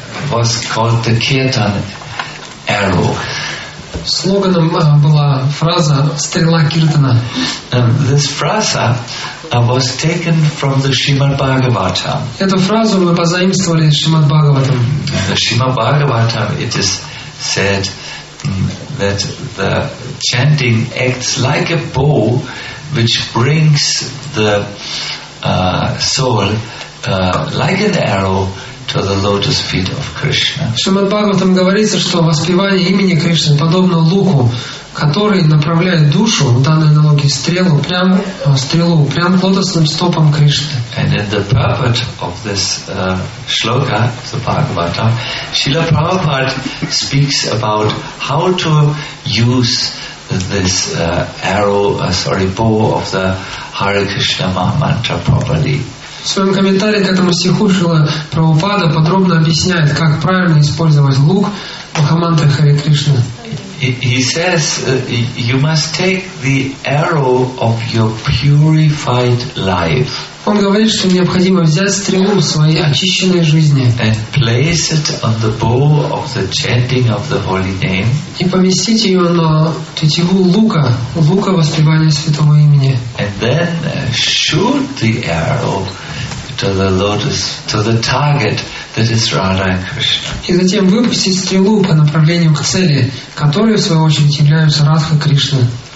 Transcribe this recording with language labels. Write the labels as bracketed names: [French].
[English] Was called the Kirtan Arrow. [Russian] Слоганом была фраза «Стрела Киртана». [English] This phrase was taken from the Shrimad Bhagavatam. [Russian] Эту фразу мы позаимствовали из Шримад Бхагаватам. [English] The Shrimad Bhagavatam, it is said that the chanting acts like a bow which brings the soul like an arrow to the lotus feet of Krishna. [Russian] Шримад Бхагаватам говорится, что воспевание имени Кришны подобно луку, который направляет душу, в данной аналогии, стрелу прямо к лотосным стопам Кришны. [English] And in the purport of this shloka, the Bhagavatam, Srila Prabhupada speaks about how to use this bow of the Hare Krishna Mahamantra properly. [Russian] В своем комментарии к этому стиху Шрила Прабхупада подробно объясняет, как правильно использовать лук Махамантры Харе Кришны. [English] He says, you must take the arrow of your purified life. [Russian] Он говорит, что необходимо взять стрелу своей очищенной жизни [English] and place it on the bow of the chanting of the holy name. [Russian] И поместить ее на тетиву лука воспевания святого имени. [English] And then shoot the arrow to the lotus, to the target that is Radha and Krishna. [Russian] И затем выпустить стрелу по направлению к цели, которые в свою очередь являются Радха Кришна.